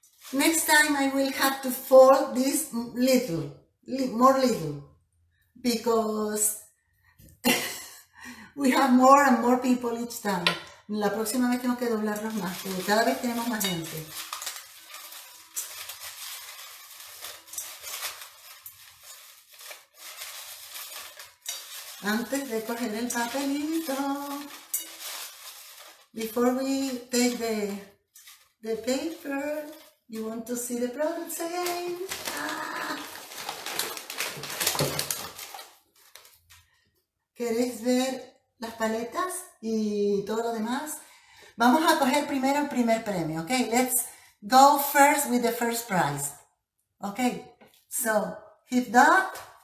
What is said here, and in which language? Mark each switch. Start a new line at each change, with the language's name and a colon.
English: Next time I will have to fold this little, more little, because we have more and more people each time.
Spanish: La próxima vez tengo que doblarlos más, porque cada vez tenemos más gente. Antes de coger el papelito,
English: before we take the paper, you want to see the products again?
Spanish: ¿Queréis ver las paletas y todo lo demás? Vamos a coger primero el primer premio, ¿ok?
English: Let's go first with the first prize. ¿Ok? So, hit that.